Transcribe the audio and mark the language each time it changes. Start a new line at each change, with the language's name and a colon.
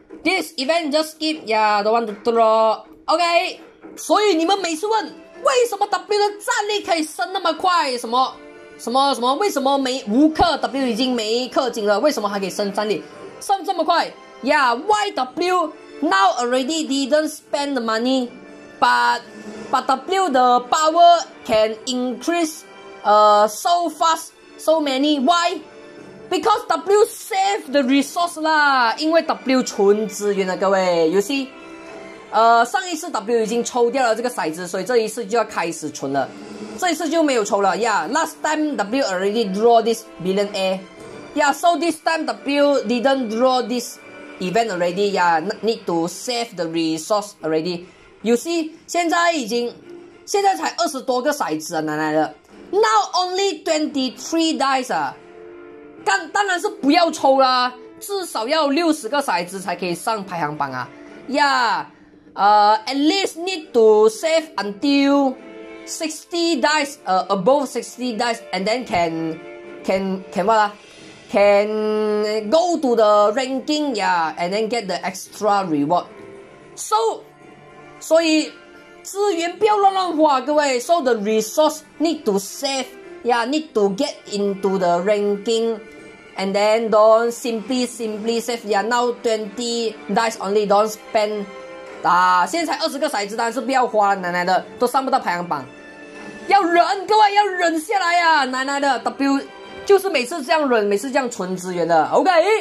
English: This event just skip, yeah, don't want to draw.
Chinese: Okay, 所以你们每次问。为什么 W 的战力可以升那么快？什么？为什么没无氪 W 已经没氪金了？为什么还可以升战力升这么快
English: ？Yeah, why W now already didn't spend the money, but W the power can increase, so fast, so many. Why? Because W save the resource 啦，
Chinese: 因为 W 存资源了，各位
English: ，You see.
Chinese: 上一次 W 已经抽掉了这个骰子，所以这一次就要开始存了。这一次就没有抽了 ，Yeah.
English: Last time W already draw this billionaire. Yeah. So this time W didn't draw this event already. Yeah. Need to save the resource already. You see,
Chinese: 现在才20多个骰子啊，奶奶的。
English: Now only 23 dice
Chinese: 啊，当然是不要抽啦，至少要60个骰子才可以上排行榜啊。Yeah.
English: At least need to save until 60 dice, above 60 dice, and then can what? Can go to the ranking, yeah, and then get the extra reward.
Chinese: So, 资源不要乱花，各位。
English: So the resource need to save, yeah, need to get into the ranking, and then don't simply save, yeah, now 20 dice only, don't spend.
Chinese: 现在才20个骰子，当然是不要花了，奶奶的，都上不到排行榜，要忍，各位要忍下来呀、啊，奶奶的 W 就是每次这样忍，每次这样存资源的 ，OK。